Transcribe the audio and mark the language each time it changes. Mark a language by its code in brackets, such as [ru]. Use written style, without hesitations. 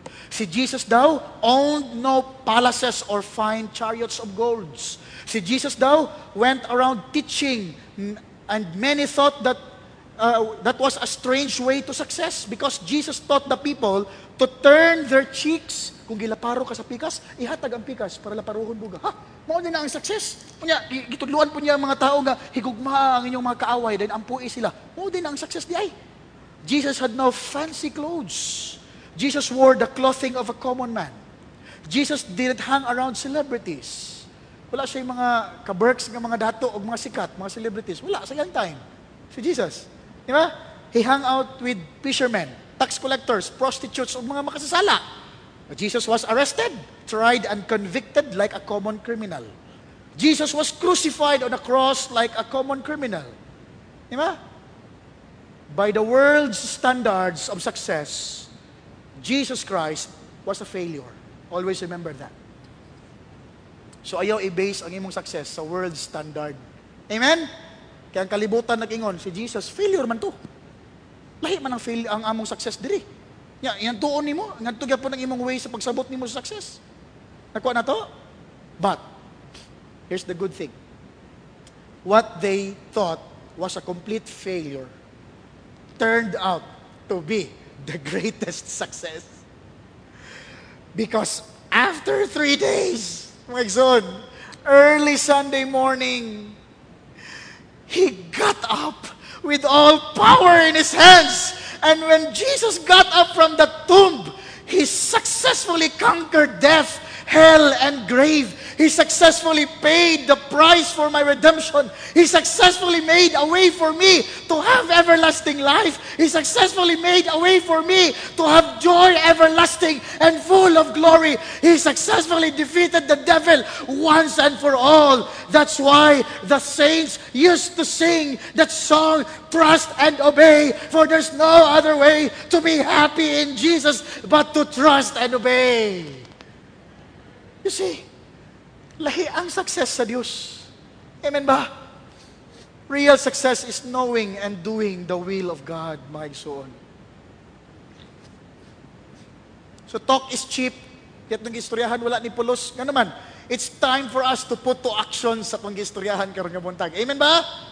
[ceb] Si Jesus daw [en] owned no palaces or fine chariots of gold. [ceb] Si Jesus daw [en] went around teaching and many thought that that was a strange way to success because Jesus taught the people to turn their cheeks. [ceb] Kung gilaparo ka sa pikas, ihatag ang pikas para laparuhon buga. Ha? Mao na ang success. Punya, gitudluan po niya ang mga tao nga higugma ang inyong mga kaaway, then ampui sila. Mao din ang success di ay. [en] Jesus had no fancy clothes. Jesus wore the clothing of a common man. Jesus didn't hang around celebrities. [ceb] Wala siya yung mga kaberks ng mga dato o mga sikat, mga celebrities. Wala, sayang [en] time. Si Jesus. [ceb] Di ba? [en] He hung out with fishermen, tax collectors, prostitutes, [ceb] o mga makasasala. [en] Jesus was arrested, tried and convicted like a common criminal. Jesus was crucified on a cross like a common criminal. Di ba? By the world's standards of success, Jesus Christ was a failure. Always remember that. So [ceb] ayaw i-base ang imong [en] success sa world standard. Amen? [ceb] Kaya ang kalibutan nag-ingon, si Jesus, failure man to. Lahi man ang, fail, ang among success diri. Yan tuon ni mo. Yan tugyan po ng imong way sa pagsabot ni mo sa success. Nakuha na to? [en] But, here's the good thing. What they thought was a complete failure turned out to be the greatest success. Because after 3 days, my God, early Sunday morning, he got up with all power in his hands. And when Jesus got up from the tomb, he successfully conquered death, hell, and grave. He successfully paid the price for my redemption. He successfully made a way for me to have everlasting life. He successfully made a way for me to have joy everlasting and full of glory. He successfully defeated the devil once and for all. That's why the saints used to sing that song, "Trust and Obey," for there's no other way to be happy in Jesus but to trust and obey. You see, [ceb] lahi ang success sa Diyos. Amen ba? [en] Real success is knowing and doing the will of God, my soul. So talk is cheap. [ceb] Yet nung istoryahan, wala ni Pulos. Nga naman, [en] it's time for us to put to action [ceb] sa pang istoryahan karong buntag. Amen ba?